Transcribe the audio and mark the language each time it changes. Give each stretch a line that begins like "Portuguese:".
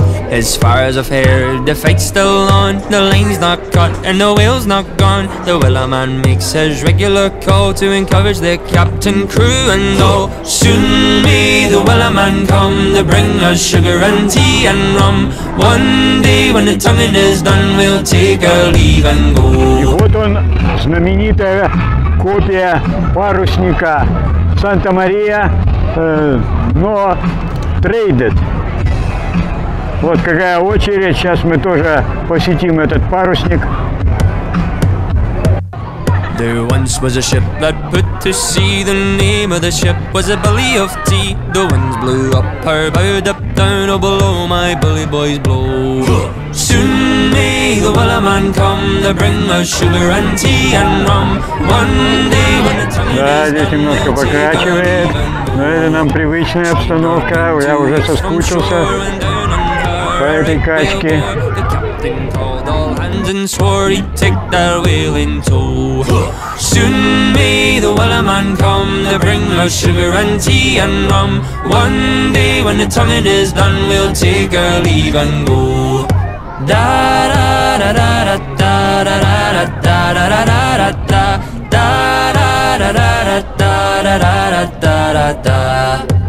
English: As far as I've heard, the fight's still on. The line's not cut and the whale's not gone. The wellerman makes his regular call to encourage the captain, crew and all. Soon may the wellerman come to bring us sugar and tea and rum. One day when the tonguing is done, we'll take our leave and go.
Russian: И вот он, знаменитая копия парусника Санта-Мария, но трейдед. Вот какая очередь, сейчас мы тоже посетим этот парусник.
English: There once was a ship that put to sea. The name of the ship was a Bully of Tea. The winds blew up her bow, dipped down, oh, below my bully boys blow. Soon may the Willowman come to bring us sugar and tea and rum. One day when the tide is
Russian: Да, здесь немножко покачивает, но это нам привычная обстановка. Я уже соскучился по этой качке.
English: And swore he'd take that whale in tow. Soon may the Willowman come to bring us sugar and tea and rum. One day when the tonguing is done, we'll take our leave and go. Da da da da da da da da da da da da da da da da da da da da da da da da da da da.